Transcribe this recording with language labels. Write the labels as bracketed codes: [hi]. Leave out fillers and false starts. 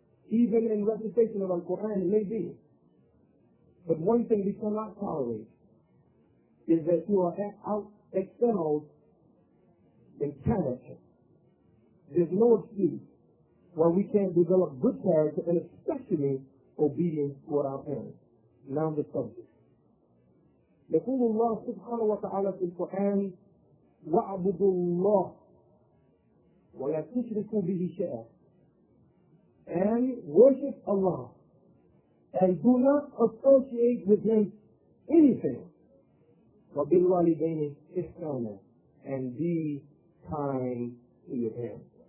[en] Even in recitation of Al-Quran, it may be. But one thing we cannot tolerate is that you are excelled in character. There's no excuse why we can't develop good character and especially obedience toward our parents. Now the subject. [ar] يقول الله سبحانه وتعالى في القرآن وَعْبُدُ اللَّهِ وَلَا تُشْرِكُوا بِهِ شَيْئًا. [en] And worship Allah and do not associate with Him anything. [ar] وَبِالْوَالِدَيْنِ إِحْسَانًا. [en] And be kind to your parents.